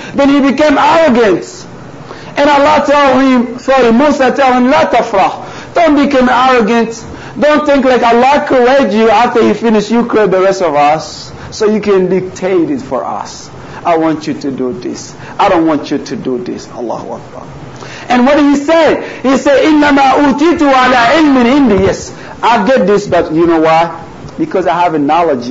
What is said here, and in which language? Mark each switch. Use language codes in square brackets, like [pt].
[en] Then he became arrogant, and Allah tell him, sorry, Musa tell him, [ar] لَا تَفْرَحْ, [en] don't become arrogant. Don't think like Allah correct you after He finished, you create the rest of us so you can dictate it for us. I want you to do this. I don't want you to do this. Allahu Akbar. And what did He say? He said, [ar] إِنَّمَا أُوتِيتُ عَلَىٰ عِلْمٍ عِنْدِي. [en] Yes, I get this, but you know why? Because I have a knowledge.